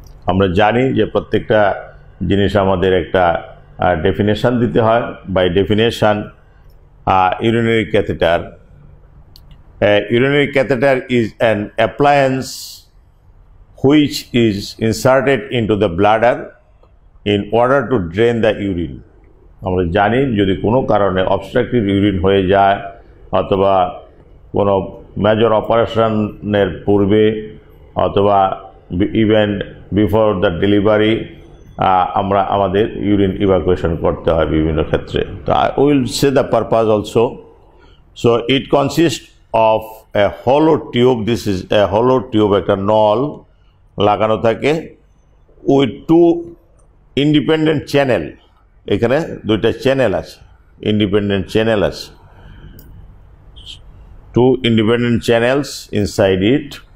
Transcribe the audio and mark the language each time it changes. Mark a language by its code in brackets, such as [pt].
[bn] আমরা জানি যে প্রত্যেকটা জিনিস আমাদের একটা ডেফিনেশন দিতে হয়। [en] By definition urinary catheter, urinary catheter is an appliance which is inserted into the bladder in order to drain the urine. [bn] আমরা জানি যদি কোনো কারণে obstructive urine হয়ে যায় অথবা কোনো major operationের পূর্বে অথবা [en] even before the delivery [bn] আমরা আমাদের urine evacuation করতে হয় বিভিন্ন ক্ষেত্রে। [en] তো I will say the purpose also. So it consists of a hollow tube. This is a hollow tube, [bn] একটা নল লাগানো থাকে [en] With two independent channel. [bn] এখানে দুইটা চ্যানেল আছে, ইন্ডিপেন্ডেন্ট চ্যানেল আছে, [en] Two independent channels inside it.